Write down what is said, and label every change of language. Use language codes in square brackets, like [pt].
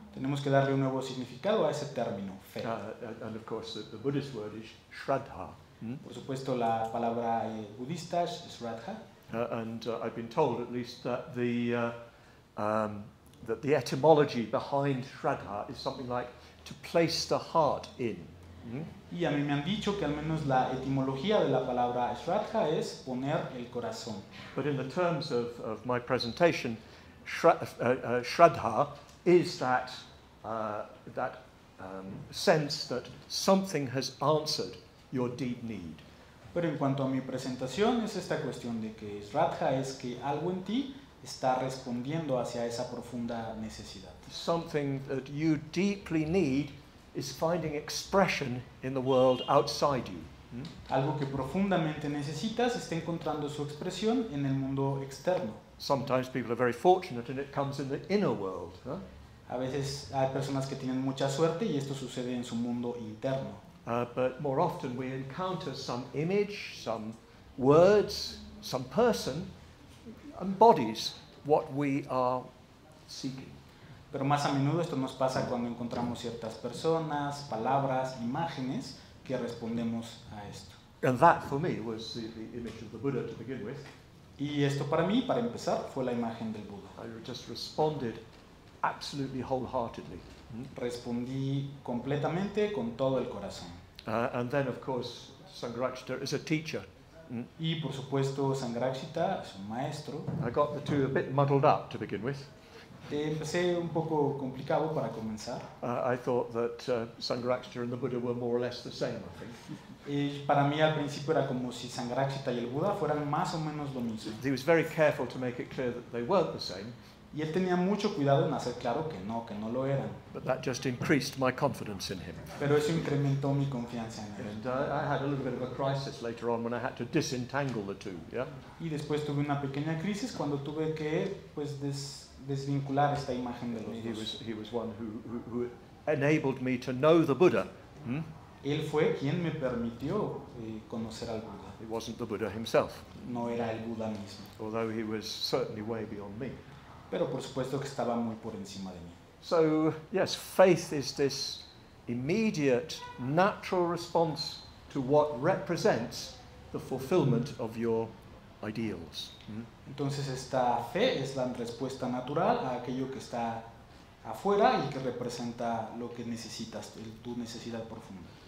[es] Tenemos que darle un nuevo significado a ese término, fe. [en] And of course the Buddhist word is shraddha. [es] Por supuesto la palabra budista es shraddha. [en] I've been told at least that the etymology behind shraddha is something like to place the heart in. [es] Y a mí me han dicho que al menos la etimología de la palabra shraddha es poner el corazón. [en] But in the terms of my presentation, shraddha is that sense that something has answered your deep need. [es] Pero en cuanto a mi presentación, es esta cuestión de que Shraddha es que algo en ti está respondiendo hacia esa profunda necesidad. [en] Something that you deeply need is finding expression in the world outside you. [es] Algo que profundamente necesitas está encontrando su expresión en el mundo externo. [en] Sometimes people are very fortunate and it comes in the inner world. Huh? [es] A veces hay personas que tienen mucha suerte y esto sucede en su mundo interno. [en] But more often we encounter some image, some words, some person, embodies what we are seeking. [es] Pero más a menudo esto nos pasa cuando encontramos ciertas personas, palabras, imágenes que respondemos a esto. [en] And that for me was the image of the Buddha to begin with. [es] Y esto para mí, para empezar, fue la imagen del Buda. [en] I just responded absolutely wholeheartedly. [es] Respondí completamente con todo el corazón. [en] And then of course Sangharakshita is a teacher. [es] Y por supuesto Sangharakshita es un maestro. [en] I got the two a bit muddled up to begin with. [es] Empecé un poco complicado para comenzar. [en] I thought that Sangharakshita and the Buddha were more or less the same, I think. [es] Para mí al principio era como si Sangharakshita y el Buda fueran más o menos lo mismo. [en] He was very careful to make it clear that they weren't the same. [es] Y él tenía mucho cuidado en hacer claro que no lo eran. [en] But that just increased my confidence in him. [es] Pero eso incrementó mi confianza en él. [en] And I had a little bit of a crisis later on when I had to disentangle the two, yeah? [es] Y después tuve una pequeña crisis cuando tuve que pues desvincular esta imagen de los dos. [en] He was one who enabled me to know the Buddha. [es] Él fue quien me permitió conocer al Buddha. [en] It wasn't the Buddha himself. [es] No era el Buddha mismo. [en] Although he was certainly way beyond me. [es] Pero por supuesto que estaba muy por encima de mí. [en] So, yes, faith is this immediate, natural response to what represents the fulfillment of your ideals. [es] Entonces esta fe es la respuesta natural a aquello que está afuera y que representa lo que necesitas, tu necesidad profunda.